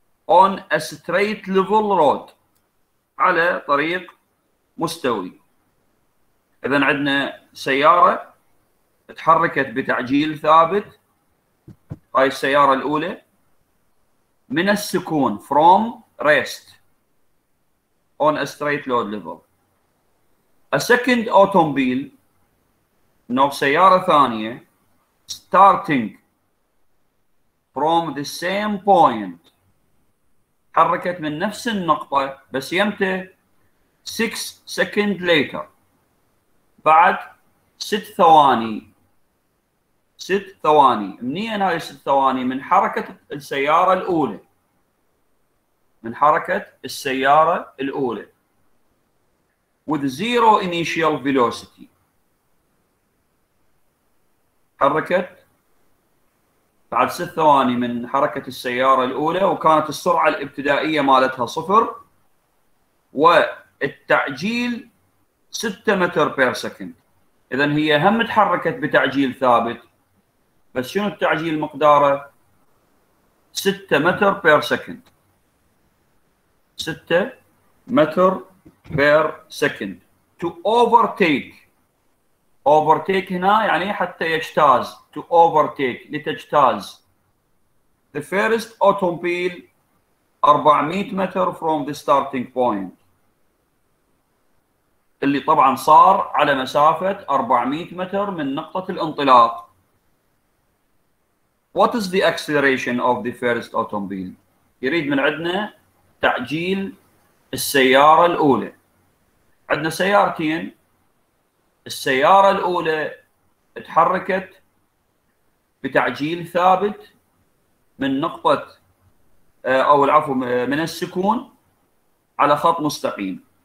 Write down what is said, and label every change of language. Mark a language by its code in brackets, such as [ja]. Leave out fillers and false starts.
[en] on a straight level road [ar] على طريق مستوي. اذا عندنا سياره تحركت بتعجيل ثابت، هاي السيارة الأولى من السكون [en] from rest on a straight load level. A second automobile [ar] نوع سيارة ثانية [en] starting from the same point [ar] حركت من نفس النقطة بس يمتى [en] 6 seconds later [ar] بعد 6 ثواني. ست ثواني، منين هاي الست ثواني؟ من حركة السيارة الأولى. من حركة السيارة الأولى. [en] With zero initial velocity. [ar] حركت بعد ست ثواني من حركة السيارة الأولى وكانت السرعة الابتدائية مالتها صفر. والتعجيل 6 متر بير سكند. إذا هي هم تحركت بتعجيل ثابت. بس شنو التعجيل مقداره؟ 6 متر بير سكند. 6 متر بير سكند. [en] To overtake. [ar] Overtake هنا يعني حتى يجتاز. [en] To overtake [ar] لتجتاز. [en] The first automobile 400 متر from the starting point. [ar] اللي طبعا صار على مسافة 400 متر من نقطة الانطلاق. [en] What is the acceleration of the first automobile? [ar] يريد من عندنا تعجيل السيارة الأولى. عندنا سيارتين. السيارة الأولى تحركت بتعجيل ثابت من نقطة أو العفو من السكون على خط مستقيم.